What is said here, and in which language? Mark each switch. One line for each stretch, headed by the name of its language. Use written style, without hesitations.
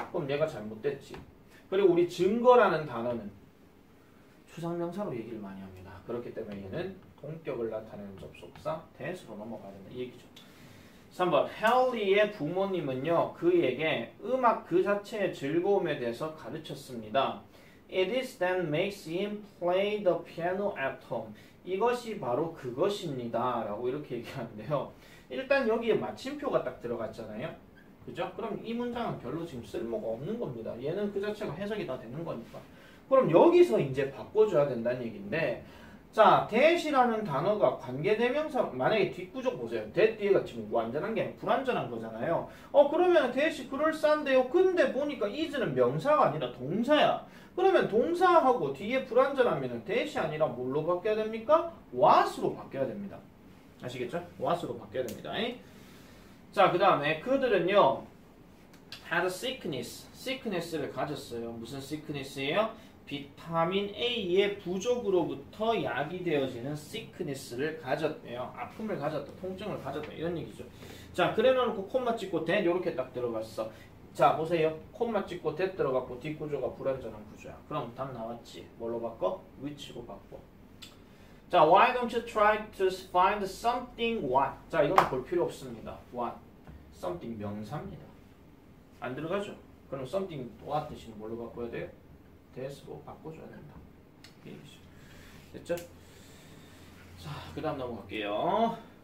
Korean: 그럼 얘가 잘못됐지. 그리고 우리 증거라는 단어는 추상명사로 얘기를 많이 합니다. 그렇기 때문에 얘는 동격을 나타내는 접속사 대수로 넘어가야 된다 이 얘기죠. 3번 헨리의 부모님은요 그에게 음악 그 자체의 즐거움에 대해서 가르쳤습니다.
English: It is then makes him play the piano at home.
Korean: 이것이 바로 그것입니다 라고 이렇게 얘기하는데요. 일단 여기에 마침표가 딱 들어갔잖아요. 그죠? 그럼 이 문장은 별로 지금 쓸모가 없는 겁니다. 얘는 그 자체가 해석이 다 되는 거니까. 그럼 여기서 이제 바꿔줘야 된다는 얘기인데 자, that이라는 단어가 관계대명사, 만약에 뒷구조 보세요. that 뒤에가 지금 완전한 게 아니라 불완전한 거잖아요. 그러면 that이 그럴싸한데요. 근데 보니까 is는 명사가 아니라 동사야. 그러면 동사하고 뒤에 불완전하면 that이 아니라 뭘로 바뀌어야 됩니까? what으로 바뀌어야 됩니다. 아시겠죠? what으로 바뀌어야 됩니다. 자, 그 다음에 그들은요.
English: had a sickness.
Korean: sickness를 가졌어요. 무슨 sickness예요? 비타민 A의 부족으로부터 약이 되어지는 sickness를 가졌대요. 아픔을 가졌다, 통증을 가졌다 이런 얘기죠. 자, 그래놓고 콤마 찍고 that 이렇게 딱 들어갔어. 자, 보세요. 콤마 찍고 that 들어갔고 뒷구조가 불완전한 구조야. 그럼 답 나왔지. 뭘로 바꿔? which로 바꿔.
English: 자, why don't you try to find something what?
Korean: 자, 이건 볼 필요 없습니다. what? something 명사입니다. 안 들어가죠? 그럼 something what 대신 뭘로 바꿔야 돼요? 대수로 바꿔줘야 된다. 됐죠? 자, 그 다음 넘어갈게요.